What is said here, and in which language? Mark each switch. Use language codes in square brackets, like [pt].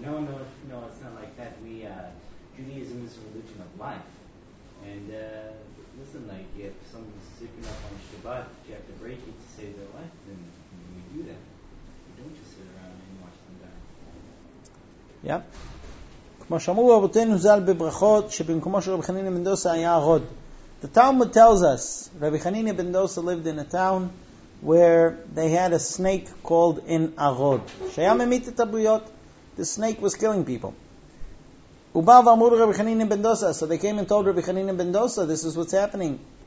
[en] No, it's not like that. Judaism is a religion of life. And, listen, if someone's sick enough on Shabbat, if you have to break it to save their life, then we do that. We don't just sit around and watch them die. Yep. [he] כמו שאמרו רבותינו ז"ל בברכות, שבמקומו של רבי חנינא בן דוסא היה הרוד. [en] The Talmud tells us, Rabbi Hanina ben Dosa lived in a town where they had a snake called in Arod. [he] שהיה ממית את הבריות. [en] The snake was killing people. So they came and told Rabbi Hanina ben Dosa, this is what's happening.